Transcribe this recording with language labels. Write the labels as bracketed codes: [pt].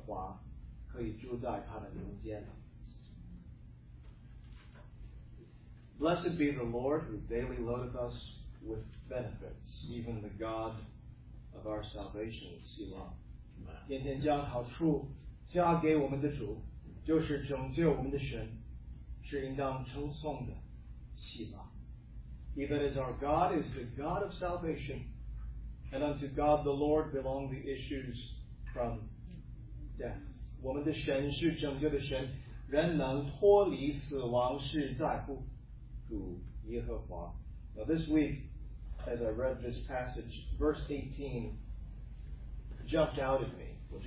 [zh] 第十八节，你已经升上高天，你领着掳获的俘虏，你为人接受了礼物，是的，你为也为那被逆的人，好叫耶和华可以住在他的中间。 [en] Blessed be the Lord who daily loadeth us with benefits, even the God of our salvation, Selah. [zh] 天天将好处加给我们的主，就是拯救我们的神，是应当称颂的，Selah. [en] He that is our God is the God of salvation, and unto God the Lord belong the issues from death. [zh] 我们的神是拯救的神，人能脱离死亡是在乎。 [en] Now this week, as I read this passage, verse 18 jumped out at me.